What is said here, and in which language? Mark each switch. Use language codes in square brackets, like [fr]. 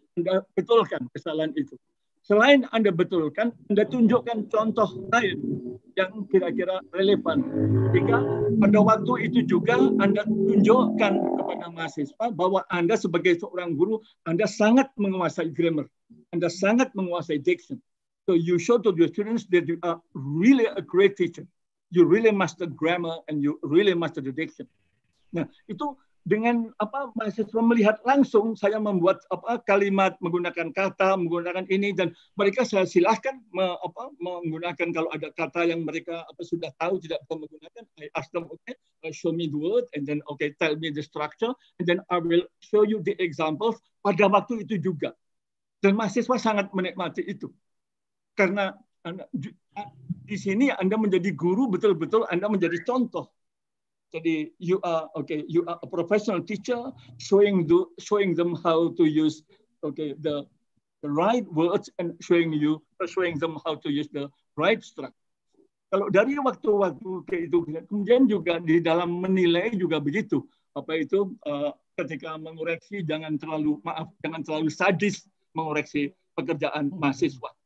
[id] Anda betulkan kesalahan itu. Selain Anda betulkan, Anda tunjukkan contoh lain yang kira-kira relevan. Jika pada waktu itu juga Anda tunjukkan kepada mahasiswa bahwa Anda sebagai seorang guru, Anda sangat menguasai grammar. Anda sangat menguasai diction. [en] So you show to your students that you are really a great teacher. You really master grammar and you really master the diction. [id] Nah, itu dengan apa mahasiswa melihat langsung saya membuat apa kalimat menggunakan kata, menggunakan ini, dan mereka saya silakan menggunakan kalau ada kata yang mereka apa sudah tahu tidak bisa menggunakan, [en] I ask them, okay, show me the word, and then okay, tell me the structure, and then I will show you the examples [id] pada waktu itu juga. Dan mahasiswa sangat menikmati itu karena di sini Anda menjadi guru, betul-betul Anda menjadi contoh. Jadi [en] you are okay. You are a professional teacher showing them how to use okay the right words and showing them how to use the right structure. [id] Kalau dari waktu-waktu ke itu, kemudian juga di dalam menilai juga begitu. Apa itu ketika mengoreksi jangan terlalu sadis mengoreksi pekerjaan mahasiswa.